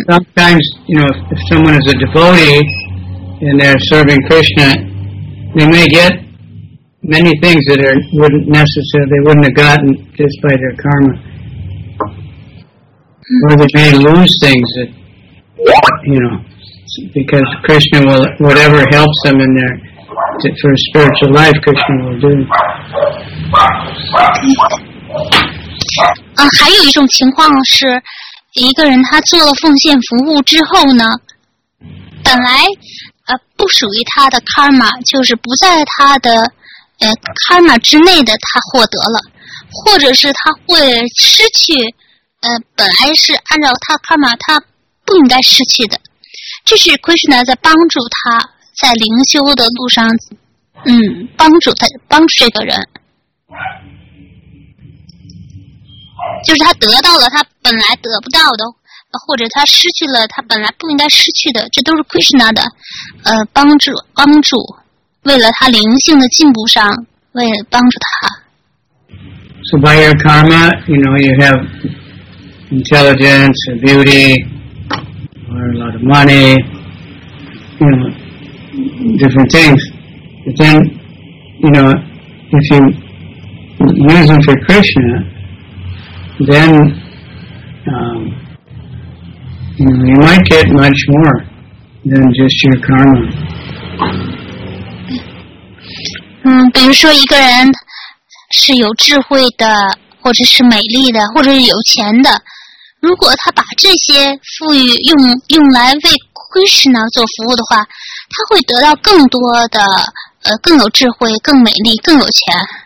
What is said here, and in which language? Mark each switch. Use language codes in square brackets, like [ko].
[en] Sometimes, you know, if someone is a devotee and they're serving Krishna, they may get many things that are wouldn't necessary, they wouldn't have gotten just by their karma. Or they may lose things that, you know, because Krishna will, whatever helps them in their, for a spiritual life, Krishna will do. [zh] 还有一种情况是, 一个人他做了奉献服务之后呢, 本来, 不属于他的 karma, 就是不在他的, karma 之内的他获得了, 或者是他会失去, 本来是按照他 karma, 他不应该失去的, 这是 Krishna 在帮助他, 在灵修的路上, 帮助他, 帮助这个人, 就是他得到了他本来得不到的, 或者他失去了他本来不应该失去的, 这都是 Krishna的, 帮助, 帮助, 为了他灵性的进步上, 为了帮助他。 [en] So by your karma, you know, you have intelligence or beauty or a lot of money, you know, different things. But then, you know, if you use them for Krishna, then you know, you might get much more than just your karma. [zh] 比如说一个人是有智慧的，或者是美丽的，或者是有钱的，如果他把这些赋予用来为 Krishna 做服务的话，他会得到更多的 更有智慧，更美丽，更有钱。